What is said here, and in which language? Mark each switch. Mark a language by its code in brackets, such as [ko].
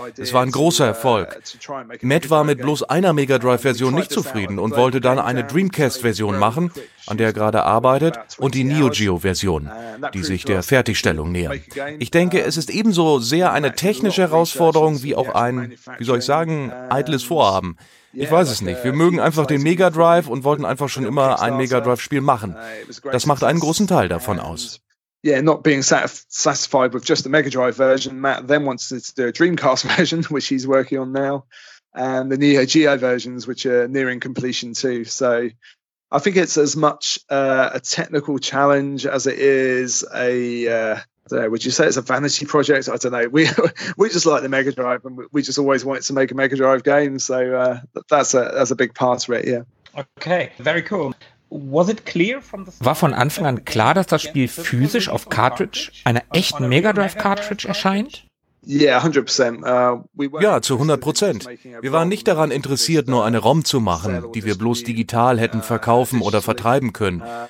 [de] Es war ein großer Erfolg. Matt war mit bloß einer Mega Drive-Version nicht zufrieden und wollte dann eine Dreamcast-Version machen, an der er gerade arbeitet, und die Neo Geo-Version, die sich der Fertigstellung nähern. Ich denke, es ist ebenso sehr eine technische Herausforderung wie auch ein, wie soll ich sagen, eitles Vorhaben. Ich weiß es nicht. Wir mögen einfach den Mega Drive und wollten einfach schon immer ein Mega Drive-Spiel machen. Das macht einen großen Teil davon aus. [en] Yeah, not being satisfied with just the Mega Drive version. Matt then wants to do a Dreamcast version, which he's working on now, and the Neo Geo versions, which are nearing completion too. So I think it's as much a technical challenge as it is a, would you say it's a vanity project? I don't know. We just like the Mega Drive, and we just always wanted to make a Mega Drive game. So that's a big part of it, yeah. Okay, very cool. [de] War von Anfang an klar, dass das Spiel physisch auf Cartridge, einer echten Mega Drive Cartridge, erscheint? Ja, zu 100%. Wir waren nicht daran interessiert, nur eine ROM zu machen, die wir bloß digital hätten verkaufen oder vertreiben können.